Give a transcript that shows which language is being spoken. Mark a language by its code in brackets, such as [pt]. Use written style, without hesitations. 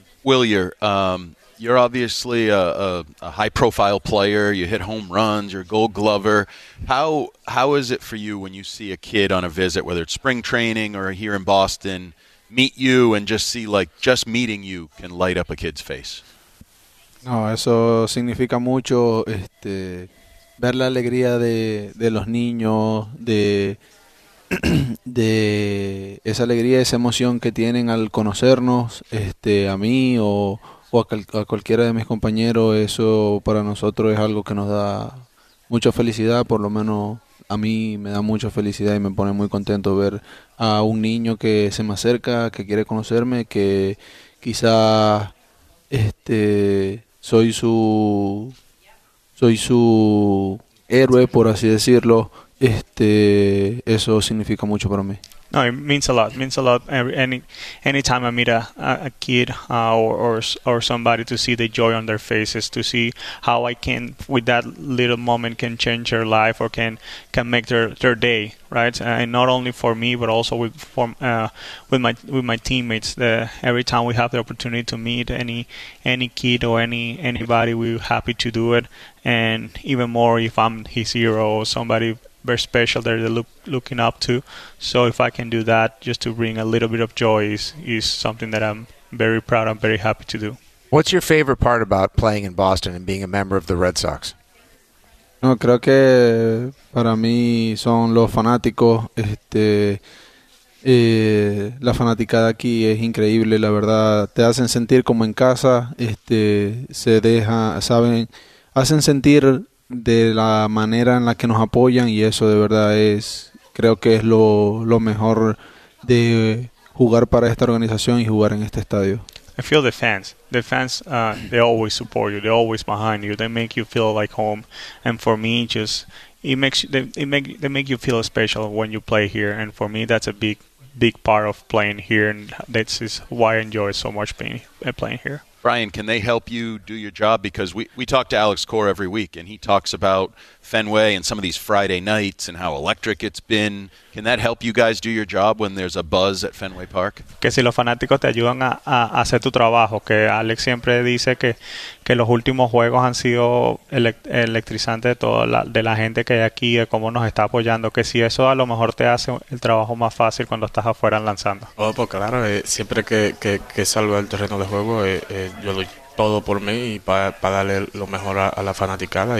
[en] Willier, you're obviously a high-profile player. You hit home runs. You're a gold glover. How is it for you when you see a kid on a visit, whether it's spring training or here in Boston, meet you and just see, like, just meeting you can light up a kid's face? [es] No, eso significa mucho, ver la alegría de los niños, de esa alegría, esa emoción que tienen al conocernos, a mí o a cualquiera de mis compañeros. Eso para nosotros es algo que nos da mucha felicidad, por lo menos a mí me da mucha felicidad y me pone muy contento ver a un niño que se me acerca, que quiere conocerme, que quizá soy su héroe, por así decirlo. Eso significa mucho para mí. [en] No, it means a lot. It means a lot. Any time I meet a kid or somebody, to see the joy on their faces, to see how I can, with that little moment, can change their life or can make their day, right? And not only for me, but also with my teammates. Every time we have the opportunity to meet any kid or anybody, we're happy to do it. And even more if I'm his hero or somebody very special that they're looking up to. So if I can do that, just to bring a little bit of joy, is something that I'm very proud and very happy to do. What's your favorite part about playing in Boston and being a member of the Red Sox? [es] No, creo que para mí son los fanáticos. La fanaticada aquí es increíble, la verdad. Te hacen sentir como en casa. Se deja, saben, hacen sentir de la manera en la que nos apoyan, y eso de verdad es, creo que es lo mejor de jugar para esta organización y jugar en este estadio. [en] I feel the fans. The fans, they always support you. They're always behind you. They make you feel like home. And for me, they make you feel special when you play here. And for me, that's a big part of playing here. And that is why I enjoy so much playing here. Brian, can they help you do your job? Because we talk to Alex Cora every week, and he talks about Fenway and some of these Friday nights and how electric it's been. Can that help you guys do your job when there's a buzz at Fenway Park? [es] Que si los fanáticos te ayudan a hacer tu trabajo, que Alex siempre dice que los últimos juegos han sido electrizantes de la gente que hay aquí, de cómo nos está apoyando, que si eso a lo mejor te hace el trabajo más fácil cuando estás afuera lanzando. Oh, pues claro, siempre que salgo al terreno de juego, yo doy todo por mí y para darle lo mejor a la fanaticada.